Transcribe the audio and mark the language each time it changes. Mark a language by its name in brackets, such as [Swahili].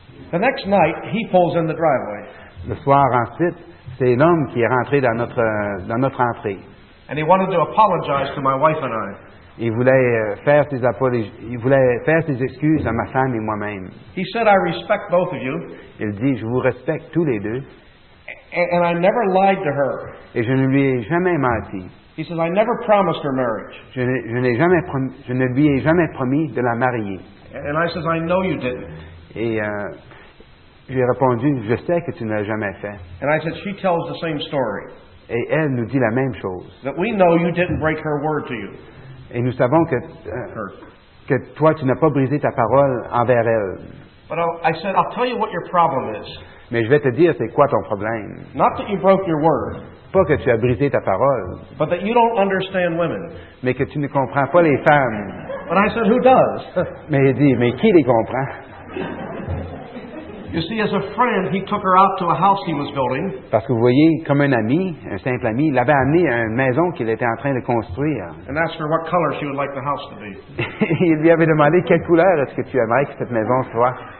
[English] The next night, he pulls in the driveway. [French] Le soir ensuite, c'est l'homme qui est rentré dans notre entrée. [English] And he wanted to apologize to my wife and I. [French] Il voulait faire ses excuses à ma femme et moi-même. [English] He said, I respect both of you. [French] Il dit, je vous respecte tous les deux. [English] And I never lied to her. [French] Et je ne lui ai jamais menti. [English] He says, I never promised her marriage. [French] Je ne lui ai jamais promis de la marier. [English] And I says, I know you didn't. [French] Et j'ai répondu, je sais que tu ne l'as jamais fait. [English] And I said, she tells the same story. [French] Et elle nous dit la même chose. [English] That we know you didn't break her word to you. [French] Et nous savons que toi, tu n'as pas brisé ta parole envers elle. [English] But I said, I'll tell you what your problem is. [French] Mais je vais te dire c'est quoi ton problème. [English] Not that you broke your word. [French] Pas que tu as brisé ta parole. [English] But that you don't understand women. [French] Mais que tu ne comprends pas les femmes. [English] But I said, who does? [French] Mais il dit, mais qui les comprend? [English] You see, as a friend, he took her out to a house he was building. [French] Parce que vous voyez, comme un ami, un simple ami, il l'avait amené à une maison qu'il était en train de construire. [English] And asked her what color she would like the house to be. [French] Il lui avait demandé quelle couleur est-ce que tu aimerais que cette maison soit.